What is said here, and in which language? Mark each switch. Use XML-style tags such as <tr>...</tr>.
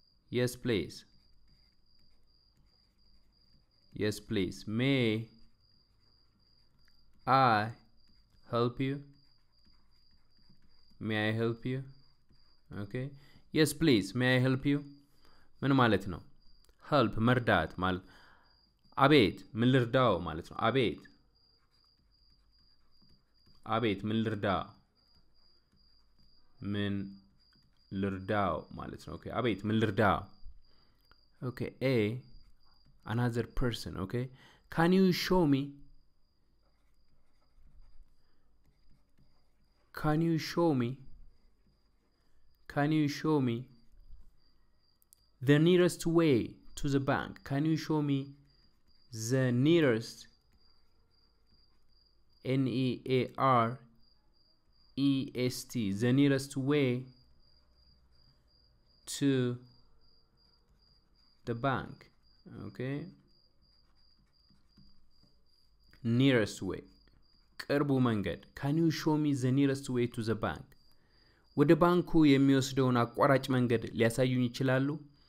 <en>Yes please, yes please, may I help you? May I help you? Okay, yes please, may I help you?</en> <am>ምን ማለት ነው? help መርዳት ማለት አቤት ምን ልርዳው ማለት ነው። አቤት አቤት ምን ልርዳ ምን ልርዳው ማለት ነው። okay, አቤት ምን ልርዳ?</am> <en>okay, a, another person. okay, can you show me, can you show me, can you show me the nearest way to the bank? Can you show me the nearest, N-E-A-R-E-S-T, the nearest way to the bank? Okay, nearest way,</en> <am>ቅርቡ መንገድ.</am> <en>Can you show me the nearest way to the bank?</en> <am>ወደ ባንኩ የሚወስደውን አቋራጭ መንገድ ሊያሳዩኝ ይችላሉ?</am>